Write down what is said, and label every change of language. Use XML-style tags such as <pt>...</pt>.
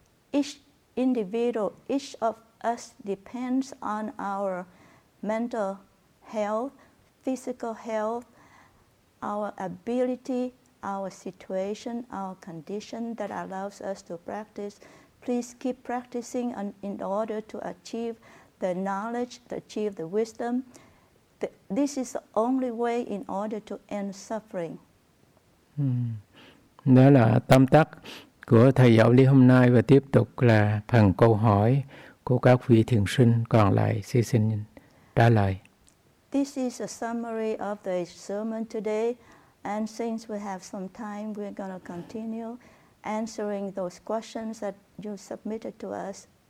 <en>Each individual, each of us depends on our mental health, physical health, our ability, our situation, our condition that allows us to practice. Please keep practicing in order to achieve the knowledge, to achieve the wisdom. This is the only way in order to end suffering.</en> <vi>Đó là tóm tắt của thầy giáo lý hôm nay, và tiếp tục là phần câu hỏi của các vị thiền sinh còn lại, xin trả lời.</vi> <en>This is a summary of the sermon today. And since we have some time, we're going to continue answering those questions that you submitted to us.</en>